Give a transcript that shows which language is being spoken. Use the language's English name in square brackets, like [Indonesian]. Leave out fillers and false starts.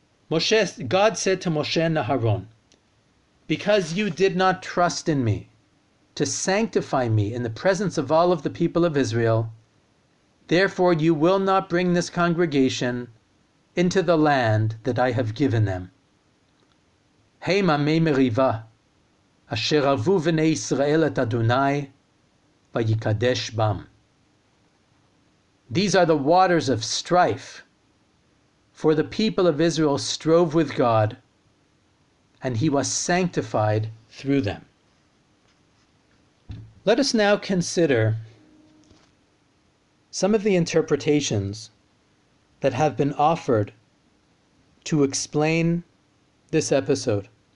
[English] Moshe, God said to Moshe and Aharon, because you did not trust in me to sanctify me in the presence of all of the people of Israel, therefore you will not bring this congregation into the land that I have given them. [Hebrew] הם עמי מריבה אשר רבו בני ישראל את אדוני ויקדש בם. [English] These are the waters of strife, for the people of Israel strove with God, and he was sanctified through them. Let us now consider some of the interpretations that have been offered to explain this episode.